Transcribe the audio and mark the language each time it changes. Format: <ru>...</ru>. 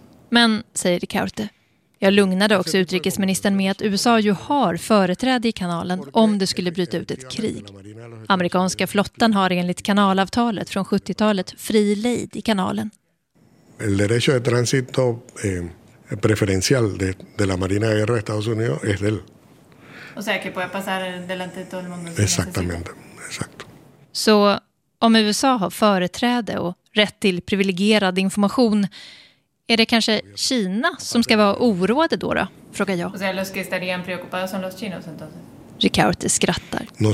<sv>Men, säger Ricardo. Jag lugnade också utrikesministern med att USA ju har företräde i kanalen om det skulle bryta ut ett krig. Amerikanska flottan har enligt kanalavtalet från 70-talet fri lejd i kanalen.</sv> <es>El derecho de tránsito preferencial de la Marina de Guerra de Estados Unidos es del. O sea que puede pasar delante de todo el mundo. Exactamente. Exact.</es> <sv>Så om USA har företräde och rätt till privilegierad information, är det kanske Kina som ska vara oroade då, då? Frågar jag. Ricardo skrattar.</sv>